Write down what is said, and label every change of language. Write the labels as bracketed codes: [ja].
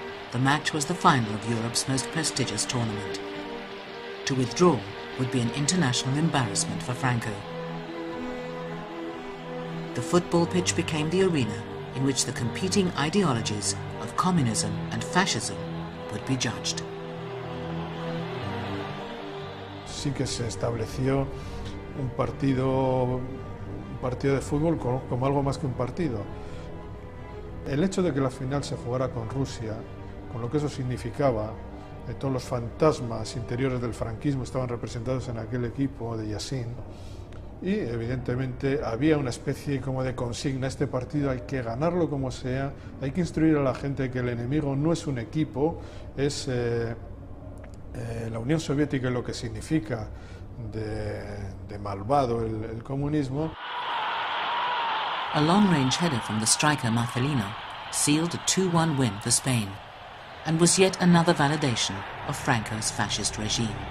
[en] the match was the final of Europe's most prestigious tournament. To withdraw would be an international embarrassment for Franco. The football pitch became the arena in which the competing ideologies of communism and fascism would be judged. [es] Sí que se estableció un partido de fútbol como algo más que un partido. El hecho de que la final se jugara con Rusia, con lo que eso significaba, todos los fantasmas interiores del franquismo estaban representados en aquel equipo de Yassin, y evidentemente había una especie como de consigna: este partido hay que ganarlo como sea, hay que instruir a la gente que el enemigo no es un equipo, es la Unión Soviética y lo que significa de malvado el comunismo. [en] A long-range header from the striker Marcelino sealed a 2-1 win for Spain and was yet another validation of Franco's fascist regime.